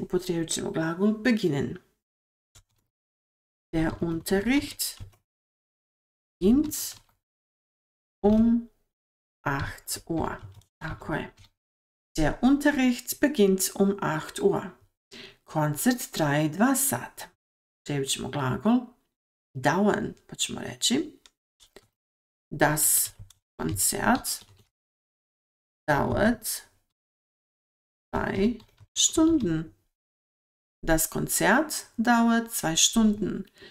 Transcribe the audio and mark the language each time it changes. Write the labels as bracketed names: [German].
[Bosnian] Upotrijebit ćemo glagol beginnen. [German] Der Unterricht beginnt um 8 Uhr. Okay. Der Unterricht beginnt um 8 Uhr. [Bosnian] Koncert traje 2 sata. Trebit ćemo glagol dauern, pa ćemo reći. [German] Das Konzert dauert 2 Stunden. Das Konzert dauert 2 Stunden.